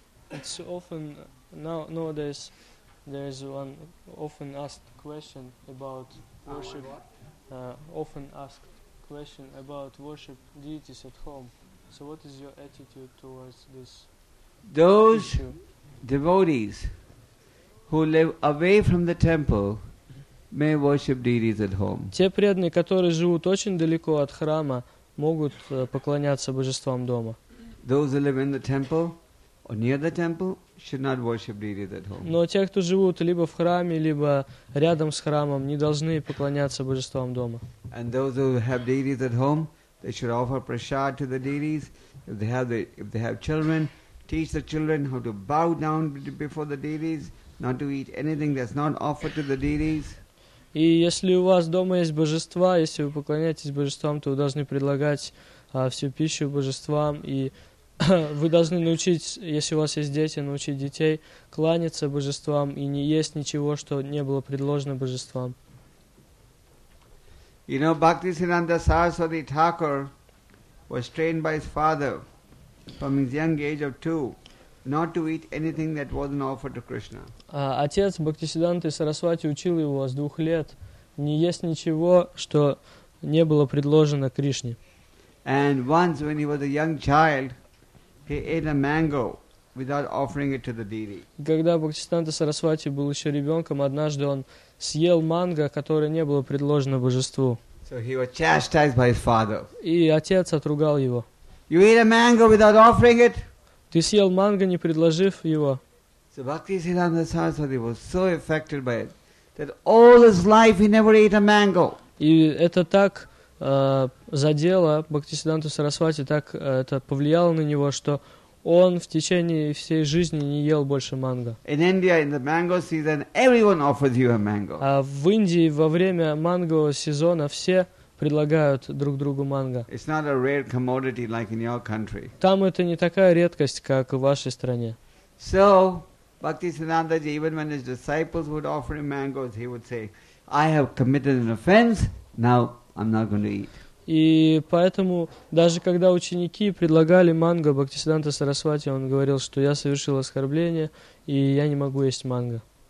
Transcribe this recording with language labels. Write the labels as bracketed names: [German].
[English] It's often nowadays there is one often asked question about worship. Often asked question about worship deities at home. So what is your attitude towards this? Those issue? Devotees who live away from the temple may worship deities at home. [Russian] Те преданные, которые живут очень далеко от храма, могут поклоняться божествам дома. [English] Those who live in the temple or near the temple should not worship deities at home. [Russian] Но те, кто живут либо в храме, либо рядом с храмом, не должны поклоняться божествам дома. [English] And those who have deities at home, they should offer prasad to the deities. If they have children, teach the children how to bow down before the deities, not to eat anything that's not offered to the deities. [Russian] И если у вас дома есть божества, если вы поклоняетесь божествам, то вы должны предлагать всю пищу божествам и вы должны научить, если у вас есть дети, научить детей кланяться божествам и не есть ничего, что не было предложено божествам. [English] You know, Bhaktisiddhanta Saraswati Thakur was trained by his father from his young age of 2 not to eat anything that wasn't offered to Krishna. [Russian] Отец Бхактисиддханты Сарасвати учил его с 2 лет не есть ничего, что не было предложено Кришне. [English] And once when he was a young child, he ate a mango without offering it to the deity. [Russian] Когда Бхактисиддханта Сарасвати был еще ребенком, однажды он съел манго, которое не было предложено божеству. [English] So he was chastised by his father. [Russian] И отец отругал его. [English] You eat a mango without offering it? [Russian] Ты съел манго, не предложив его. [English] So Bhaktisiddhanta Saraswati was so affected by it that all his life he never ate a mango. [Russian] И это так задело Бхактисиддханту Сарасвати, так это повлияло на него, что он в течение всей жизни не ел больше манго. [English] In India, in the mango season, everyone offers you a mango. [Russian] А в Индии во время мангового сезона все предлагают друг другу манго. [English] It's not a rare commodity like in your country. [Russian] Там это не такая редкость, как в вашей стране. [English] So, Bhaktisiddhanta ji, even when his disciples would offer him mangoes, he would say, I have committed an offense, now I'm not going to eat. [Russian] И поэтому, даже когда ученики предлагали манго Бхактисиддханта Сарасвати, он говорил, что я совершил оскорбление, и я не могу есть манго.